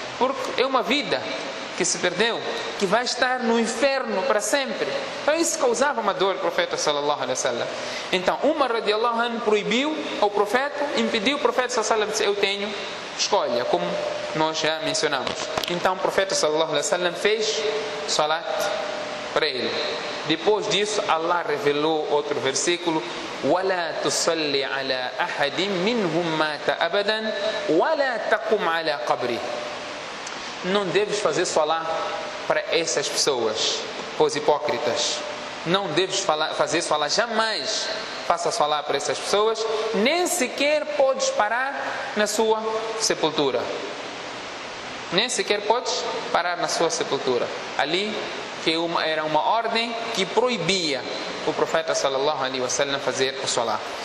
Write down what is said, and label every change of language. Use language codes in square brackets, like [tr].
[pt] Porque é uma vida que se perdeu, que vai estar no inferno para sempre. Então isso causava uma dor ao profeta sallallahu alaihi wasallam. Então Umar radiallahu anhu proibiu ao profeta, impediu o profeta sallallahu alaihi wasallam. Eu tenho escolha, como nós já mencionamos. Então o profeta sallallahu alaihi wasallam fez salat para ele. Depois disso, Allah revelou outro versículo: [ar] وَلَا تُصَلِّ عَلَىٰ أَحَدٍ مِّنْهُمْ مَاتَ أَبَدًا وَلَا تَقُمْ عَلَىٰ قَبْرِ. [pt] Não deves fazer solá para essas pessoas, os hipócritas. Não deves fazer solá, jamais faça solá para essas pessoas, nem sequer podes parar na sua sepultura. Nem sequer podes parar na sua sepultura. Ali que era uma ordem que proibia o profeta sallallahu alaihi wasallam fazer o solá.